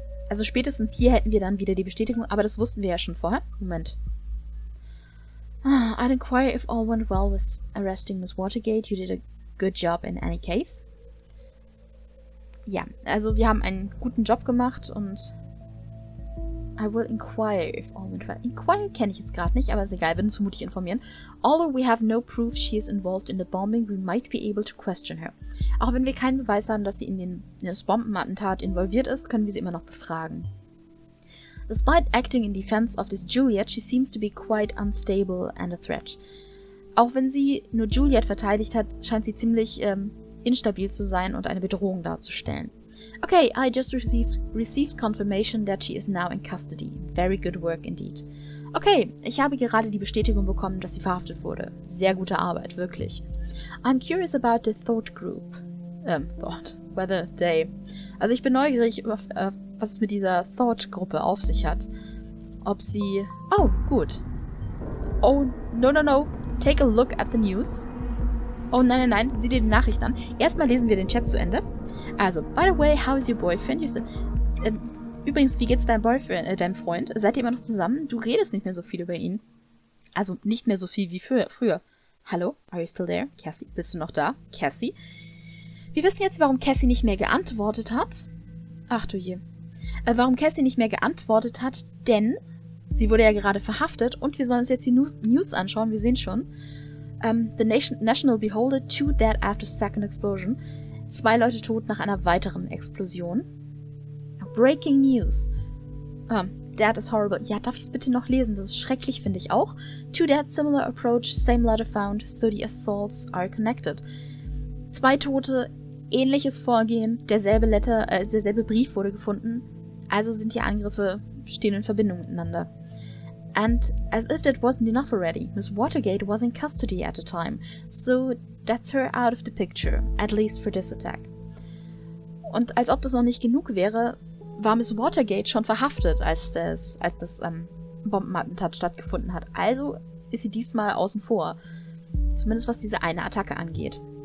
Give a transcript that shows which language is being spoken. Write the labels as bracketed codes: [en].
[de] Also spätestens hier hätten wir dann wieder die Bestätigung, aber das wussten wir ja schon vorher. Moment. [en] I'd inquire if all went well with arresting Miss Watergate. You did a good job in any case. [de] Ja, also wir haben einen guten Job gemacht und... [en] I will inquire if all went well. [de] Inquire kenne ich jetzt gerade nicht, aber ist egal, würden zumutig informieren. [en] Although we have no proof she is involved in the bombing, we might be able to question her. [de] Auch wenn wir keinen Beweis haben, dass sie in das Bombenattentat involviert ist, können wir sie immer noch befragen. [en] Despite acting in defense of this Juliet, she seems to be quite unstable and a threat. [de] Auch wenn sie nur Juliet verteidigt hat, scheint sie ziemlich instabil zu sein und eine Bedrohung darzustellen. [en] Okay, I just received confirmation that she is now in custody. Very good work indeed. [de] Okay, ich habe gerade die Bestätigung bekommen, dass sie verhaftet wurde. Sehr gute Arbeit, wirklich. [en] I'm curious about the Thought Group. Thought. Whether they... [de] Also ich bin neugierig, was es mit dieser Thought-Gruppe auf sich hat. Ob sie... Oh, gut. [en] Oh, no, no, no. Take a look at the news. [de] Oh, nein, nein, nein. Sieh dir die Nachricht an. Erstmal lesen wir den Chat zu Ende. [en] Also, by the way, how is your boyfriend? [de] Übrigens, wie geht's deinem Freund? Seid ihr immer noch zusammen? Du redest nicht mehr so viel über ihn. Also, nicht mehr so viel wie früher. Hallo? [en] Are you still there? [de] Cassie? Bist du noch da? Cassie? Wir wissen jetzt, warum Cassie nicht mehr geantwortet hat. Ach du je. Warum Cassie nicht mehr geantwortet hat, denn sie wurde ja gerade verhaftet und wir sollen uns jetzt die News anschauen. Wir sehen schon. [en] The National Beholder, two dead after second explosion. [de] Zwei Leute tot nach einer weiteren Explosion. Breaking news. [en] That is horrible. [de] Ja, darf ich es bitte noch lesen? Das ist schrecklich, finde ich auch. [en] To that similar approach, same letter found, so the assaults are connected. [de] Zwei Tote, ähnliches Vorgehen, derselbe Brief wurde gefunden. Also sind die Angriffe stehen in Verbindung miteinander. [en] And as if that wasn't enough already, Miss Watergate was in custody at the time, so that's her out of the picture, at least for this attack. [de] Und als ob das noch nicht genug wäre, war Miss Watergate schon verhaftet, als das Bombenattentat stattgefunden hat. Also ist sie diesmal außen vor, zumindest was diese eine Attacke angeht.